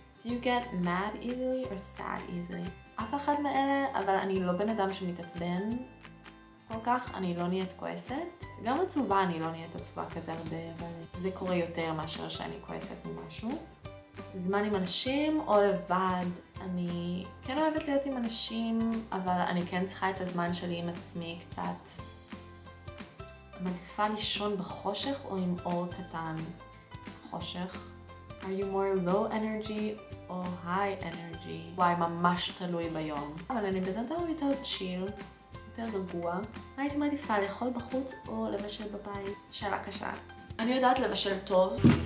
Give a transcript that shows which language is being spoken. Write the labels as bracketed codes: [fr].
[en] Do you get mad easily or sad easily? [he] אף אחד מאלה, אבל אני לא בן אדם שמתעצבן כל כך, אני לא נהיית כועסת. גם עצובה אני לא נהיית עצובה כזה הרבה, אבל זה קורה יותר מאשר שאני כועסת ממשהו. זמן עם אנשים או לבד? אני כן אוהבת להיות עם אנשים, אבל אני כן צריכה את הזמן שלי עם עצמי קצת. מעדיפה לישון בחושך או עם אור קטן? חושך. [en] Are you more low energy or high energy? [he] וואי, ממש תלוי ביום. אבל אני בינתיים יותר צ'יל, יותר רגוע. מה הייתי מעדיפה, לאכול בחוץ או לבשל בבית? שאלה קשה. אני יודעת לבשל טוב.